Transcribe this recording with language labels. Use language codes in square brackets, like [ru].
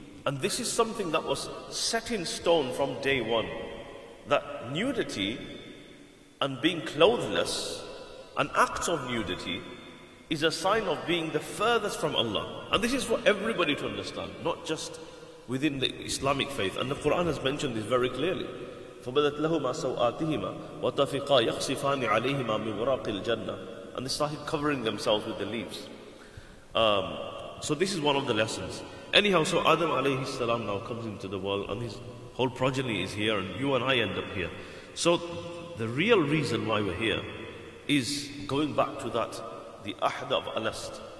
[en] And this is something that was set in stone from day one. That nudity and being clothless, an act of nudity, is a sign of being the furthest from Allah. And this is for everybody to understand, not just within the Islamic faith. And the Quran has mentioned this very clearly. [ar] فبدت لهما سوآتهما وتفقا يخصفان عليهما من ورق الجنة. [en] And they started covering themselves with the leaves. So this is one of the lessons. Anyhow, so Adam alayhi salam now comes into the world and his whole progeny is here and you and I end up here. So the real reason why we're here is going back to that, the Ahd of Alast.